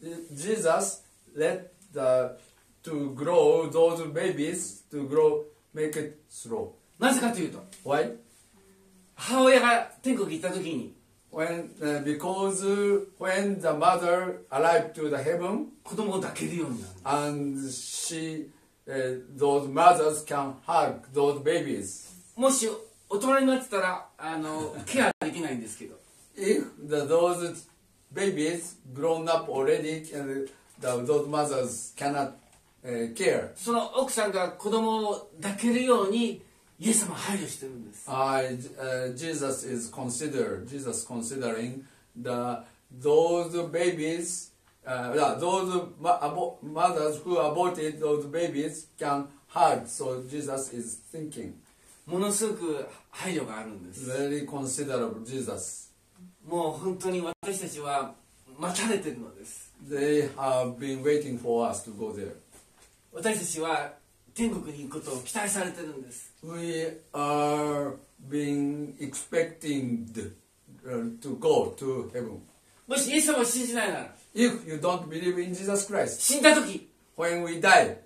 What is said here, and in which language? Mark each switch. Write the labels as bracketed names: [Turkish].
[English] Jesus let the to grow those babies to grow make it slow. [Japanese] なぜかというと、 [English] why? [Japanese] 母親が天国行った時に、 [English] when because when the mother arrived to the heaven, [Japanese] 子供を抱けるようになる。 [English] And she those mothers can hug those babies. [Japanese] もし大人になってたらあのケアできないんですけど。 [English] If the those babies grown up already, the those mothers cannot care. [Japanese] その奥さんが子供を抱けるようにイエス様配慮してるんです。 [English] Jesus is Jesus considering the those babies, those mothers who aborted those babies can hug. So Jesus is thinking. [Japanese] ものすごく配慮があるんです。 [English] Very considerable Jesus. [Japanese] もう本当に私たちは待たれてるのです。 [English] They have been waiting for us to go there. [Japanese] 私たちは天国に行くことを期待されてるんです。 [English] We are being expected to go to heaven. [Japanese] もしイエス様を信じないなら、 [English] If you don't believe in Jesus Christ, [Japanese] 死んだ時、 [English] When we die,